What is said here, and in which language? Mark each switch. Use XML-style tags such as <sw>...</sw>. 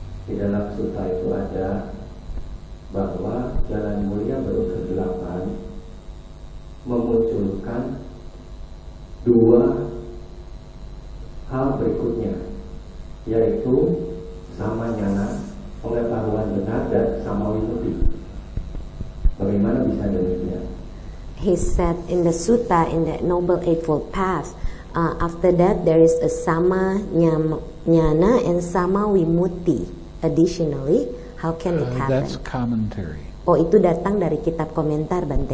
<id>Di dalam sutta itu ada bahwa jalan mulia baru ke-8 memunculkan dua hal berikutnya, yaitu sama nyana, pengetahuan benar, dan sama wisuti. Bagaimana bisa demikian?</id> <en>He said in the sutta, in the Noble Eightfold Path, after that there is a sama nyana and sama vimutti. Additionally, how can it happen? That's commentary.</en> <id>Oh, itu datang dari kitab komentar, Bante.</id>